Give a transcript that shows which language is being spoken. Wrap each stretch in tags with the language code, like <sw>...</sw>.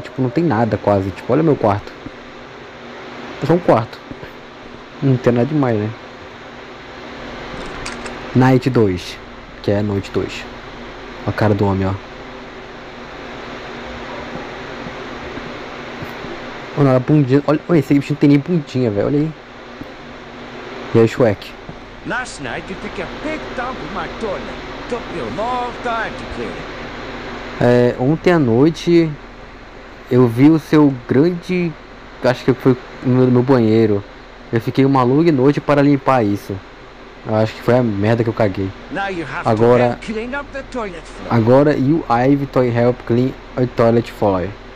<pt>Tipo, não tem nada quase. Tipo, olha meu quarto. É só um quarto. Não tem nada demais, né?</pt> <en>Night 2.</en> <pt>Que é noite 2. Olha a cara do homem, ó. Mano, olha a bundinha. Olha, esse bicho não tem nem bundinha, velho. Olha aí. E aí, Shrek?</pt> <en>Last night you took a big dump in my toilet. Took me a long time to clean it.</en> <pt>É, ontem à noite eu vi o seu grande. Acho que foi no banheiro. Eu fiquei uma longa noite para limpar isso. Eu acho que foi a merda que eu caguei.</pt> <en>Now you have</en> <pt>agora,</pt> <en>to clean up the toilet floor.</en> <pt>Agora</pt> <en>you have to help clean a toilet floor.</en>